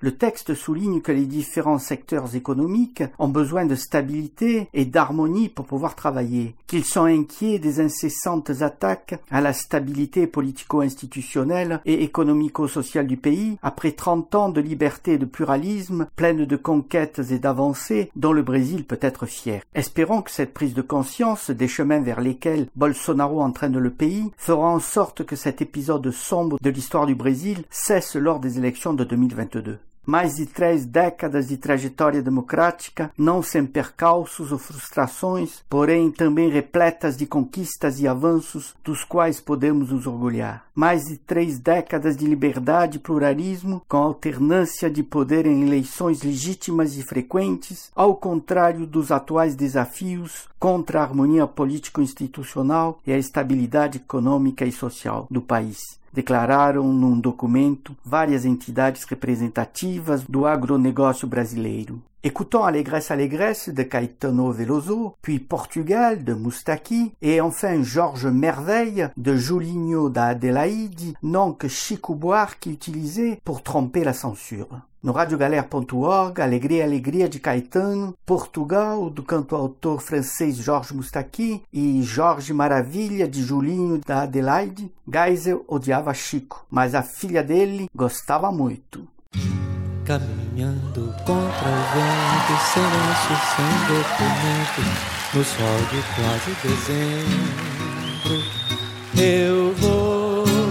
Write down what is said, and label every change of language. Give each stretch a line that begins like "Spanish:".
French: Le texte souligne que les différents secteurs économiques ont besoin de stabilité et d'harmonie pour pouvoir travailler, qu'ils sont inquiets des incessantes attaques à la stabilité politico-institutionnelle et économico-sociale du pays après 30 ans de liberté et de pluralisme pleine de conquêtes et d'avancées dont le Brésil peut être fier. Espérons que cette prise de conscience des chemins vers lesquels Bolsonaro entraîne le pays fera en sorte que cet épisode sombre de l'histoire du Brésil cesse lors des élections de 2022.
Portuguese: Mais de 3 décadas de trajetória democrática, não sem percalços ou frustrações, porém também repletas de conquistas e avanços dos quais podemos nos orgulhar. Mais de 3 décadas de liberdade e pluralismo, com alternância de poder em eleições legítimas e frequentes, ao contrário dos atuais desafios contra a harmonia político-institucional e a estabilidade econômica e social do país. Declararam num documento várias entidades representativas do agronegócio brasileiro.
French: Écoutons Alegresse Alegresse de Caetano Veloso, puis Portugal de Moustaki, et enfin Georges Merveille de Julinho da Adelaide, nom que Chico Buarque utilisait pour tromper la censure.
Portuguese: No radiogalère.org, Alegria Alegria de Caetano, Portugal do canto-autor francês Georges Moustaki e Jorge Maravilha de Julinho da Adelaide, Geisel odiava Chico, mas a filha dele gostava muito. Caminhando contra o vento, sem lenço, sem documento, no sol de quase dezembro, eu vou.